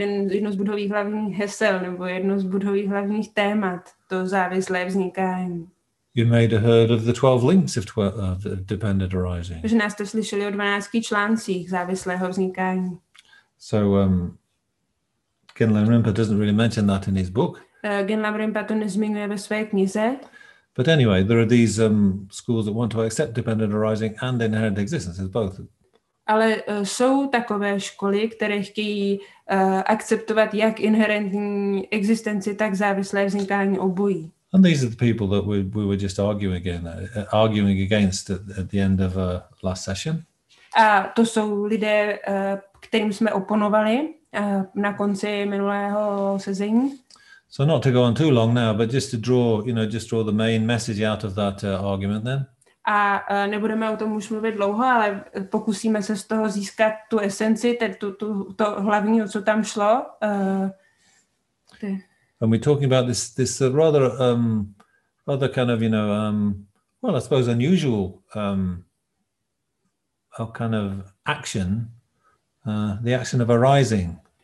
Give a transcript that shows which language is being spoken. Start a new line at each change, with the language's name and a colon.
Czech: jedno z budových hlavních hesel nebo jedno z budových hlavních témat, to závislé vznikání.
English: You may have heard of the 12 links of dependent arising.
Czech: Že nás to slyšeli o 12 článcích závislého vznikání.
English: So Kinlan Rinpa doesn't really mention that in his book.
Czech: Genlam Rinpa to nezmiňuje ve své knize.
English: But anyway, there are these schools that want to accept dependent arising and inherent existence as both.
Czech: Ale jsou takové školy, které chtějí akceptovat jak inherentní existenci, tak závislé vznikání obojí.
English: And these are the people that we were just arguing against at the end of last session.
Czech: A to jsou lidé, kterým jsme oponovali na konci minulého sezení.
English: So not to go on too long now, but just to draw, you know, just draw the main message out of that argument then.
Czech: A nebudeme o tom už mluvit dlouho, ale pokusíme se z toho získat tu esenci, to hlavní, co tam šlo.
English: And we're talking about this rather kind of, you know, well, I suppose unusual kind of action, the action of arising.